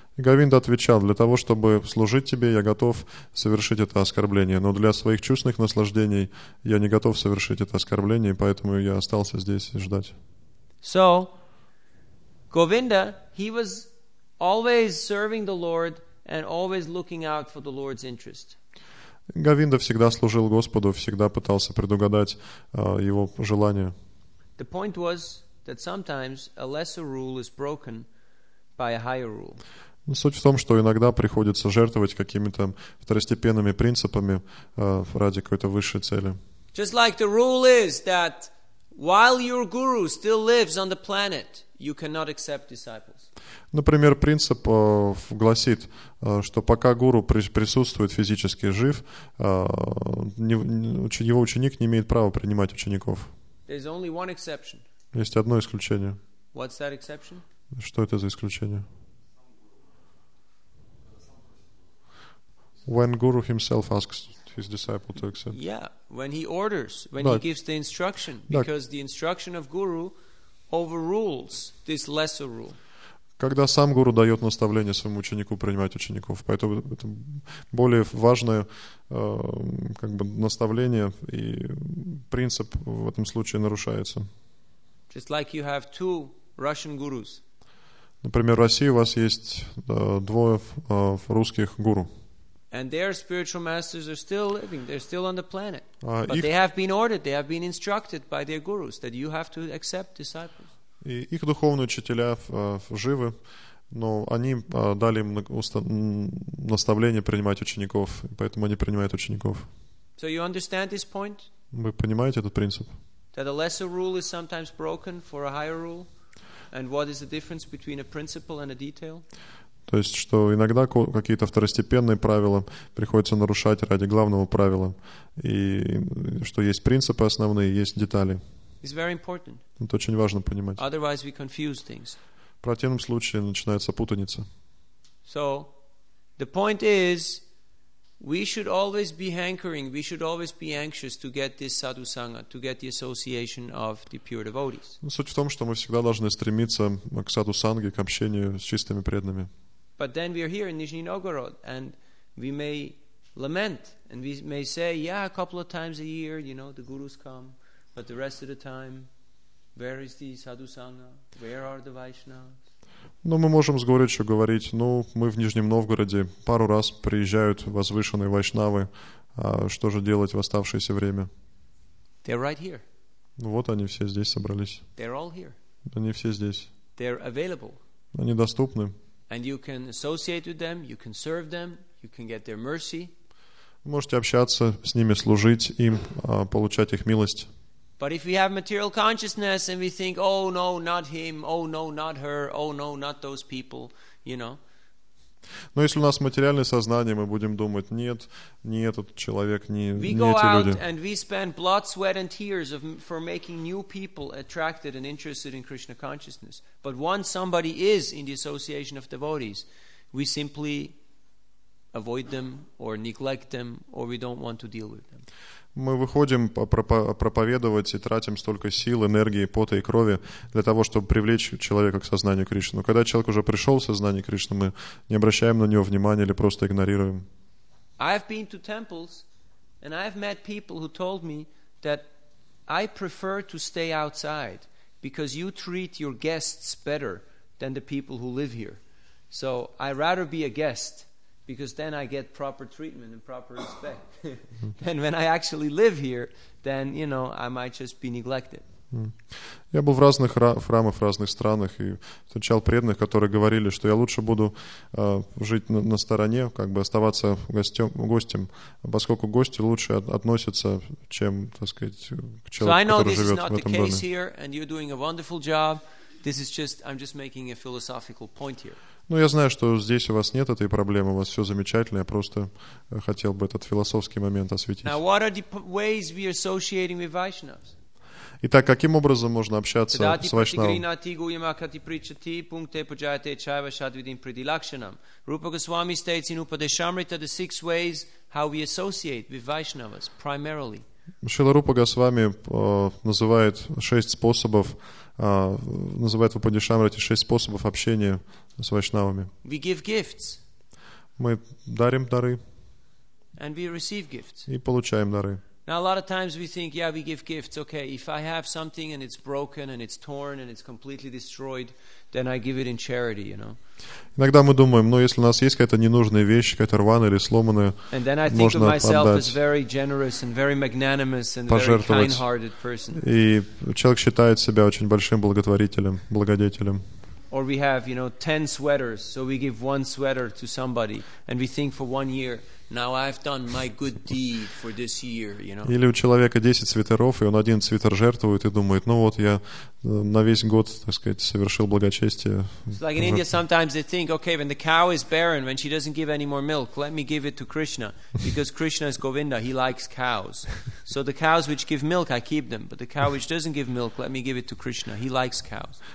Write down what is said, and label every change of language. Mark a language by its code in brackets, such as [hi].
[ru] Говинда отвечал, для того, чтобы служить тебе, я готов совершить это оскорбление, но для своих чувственных наслаждений я не готов совершить это оскорбление, поэтому я остался здесь ждать. [en] So, Govinda, he was always serving the Lord and always looking out for the Lord's interest. [ru] Говинда всегда служил Господу, всегда пытался предугадать его желания. [en] The point was that sometimes a lesser rule is broken by a higher rule. [ru] Суть в том, что иногда приходится жертвовать какими-то второстепенными принципами ради какой-то высшей цели. [en] Just like the rule is that while your guru still lives on the planet, you cannot accept disciples. [ru] Например, принцип гласит, что пока гуру присутствует физически жив, его ученик не имеет права принимать учеников. [en] There's only one exception. [ru] Есть одно исключение. [en] What's that exception? [ru] Что это за исключение? [en] When guru himself asks his disciple to accept. Yeah, when he orders, when he gives the instruction, because the instruction of guru overrules this lesser rule. [ru] Когда сам гуру дает наставление своему ученику принимать учеников, поэтому это более важное наставление и принцип в этом случае нарушается. [en] Just like you have two Russian gurus. [ru] Например, в России у вас есть двое русских гуру. [en] And their spiritual masters are still living. They're still on the planet. But they have been ordered, they have been instructed by their gurus that you have to accept disciples. [ru] И их духовные учителя живы, но они дали им наставление принимать учеников, поэтому они принимают учеников. [en] So you understand this point? [ru] Вы понимаете этот принцип? [en] That a lesser rule is sometimes broken for a higher rule? And what is the difference between a principle and a detail? [ru] То есть, что иногда какие-то второстепенные правила приходится нарушать ради главного правила. И что есть принципы основные, есть детали. [en] It's very important. [ru] Это очень важно понимать. [en] Otherwise we confuse things. [ru] В противном случае начинается путаница. [en] So, the point is, we should always be hankering, we should always be anxious to get this sadhu sangha, to get the association of the pure devotees. [ru] Суть в том, что мы всегда должны стремиться к саду санге, к общению с чистыми преданными. [en] But then we are here in Nizhny Novgorod, and we may lament, and we may say, yeah, a couple of times a year, you know, the gurus come, but the rest of the time, where is the sadhu sangha? Where are the Vaishnavas? [ru] Ну, мы можем с горечью говорить, ну, мы в Нижнем Новгороде, пару раз приезжают возвышенные вайшнавы, а что же делать в оставшееся время? [en] They're right here. [ru] Ну, вот они все здесь собрались. [en] They're all here. [ru] Они все здесь. [en] They're available. [ru] Они доступны. [en] And you can associate with them, you can serve them, you can get their mercy. [ru] Можете общаться с ними, служить им, получать их милость. [en] But if we have material consciousness and we think, oh no, not him, oh no, not her, oh no, not those people, you know. [ru] Но если у нас материальное сознание, мы будем думать, нет, не этот человек, не эти люди. [en] We go out and we spend blood, sweat and tears for making new people attracted and interested in Krishna consciousness. But once somebody is in the association of devotees, we simply avoid them or neglect them or we don't want to deal with them. [ru] Мы выходим проповедовать и тратим столько сил, энергии, пота и крови для того, чтобы привлечь человека к сознанию Кришны. Но когда человек уже пришел в сознание Кришны, мы не обращаем на него внимания или просто игнорируем. [en] I've been to temples and I've met people who told me that I prefer to stay outside because you treat your guests better than the people who live here. So I'd rather be a guest. Because then I get proper treatment and proper respect. And when I actually live here, then, you know, I might just be neglected. [ru] Я был в разных храмах, в разных странах и встречал преданных, которые говорили, что я лучше буду жить на стороне, как бы оставаться гостем, поскольку гости лучше относятся, чем, так сказать, к человеку, который живет в этом доме. [en] So I know this is not the case here, and you're doing a wonderful job. This is just, I'm just making a philosophical point here. [ru] Ну, я знаю, что здесь у вас нет этой проблемы, у вас все замечательно, я просто хотел бы этот философский момент осветить. [en] Now, what are the ways we are associating with Vaishnavas? [ru] Итак, каким образом можно общаться с Вайшнавами? Шрила Рупа Госвами называет шесть способов, называет в Упадешамрите шесть способов общения с Вайшнавами. [en] We give gifts. [ru] Мы дарим дары. [en] And we receive gifts. [ru] И получаем дары. [en] Now a lot of times we think, yeah, we give gifts. Okay, if I have something and it's broken and it's torn and it's completely destroyed, then I give it in charity, you know. [ru] Иногда мы думаем, ну если у нас есть какая-то ненужная вещь, какая-то рваная или сломанная, можно отдать. [en] And then I think of myself as very generous and very magnanimous and very kind-hearted person. [ru] И человек считает себя очень большим благотворителем, благодетелем. [en] Or we have, you know, 10 sweaters, so we give one sweater to somebody, and we think for one year, now I've done my good deed for this year, you know. [ru] Или у человека 10 свитеров, и он один свитер жертвует, и думает, ну вот, я на весь год, так сказать, совершил благочестие. [en] It's like in India, sometimes they think, okay, when the cow is barren, when she doesn't give any more milk, let me give it to Krishna, because Krishna is Govinda, he likes cows. So the cows which give milk, I keep them, but the cow which doesn't give milk, let me give it to Krishna, he likes cows.